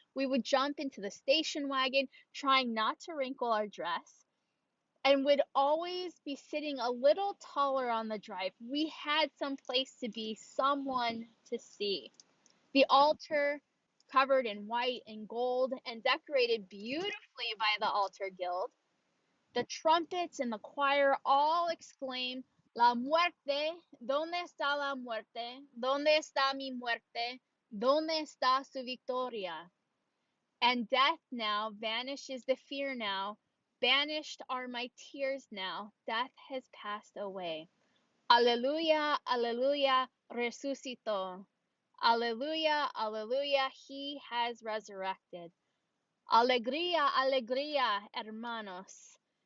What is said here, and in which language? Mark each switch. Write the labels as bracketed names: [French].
[English] We would jump into the station wagon, trying not to wrinkle our dress, and would always be sitting a little taller on the drive. We had some place to be, someone to see. The altar, covered in white and gold and decorated beautifully by the altar guild. The trumpets and the choir all exclaimed, [Spanish] "La muerte, ¿dónde está la muerte? ¿Dónde está mi muerte? ¿Dónde está su victoria?" [English] And death now vanishes the fear now. Banished are my tears now. Death has passed away. Alleluia, alleluia, [Spanish] resucitó. [English] Alleluia, alleluia, he has resurrected. [Spanish] Alegría, alegría, hermanos.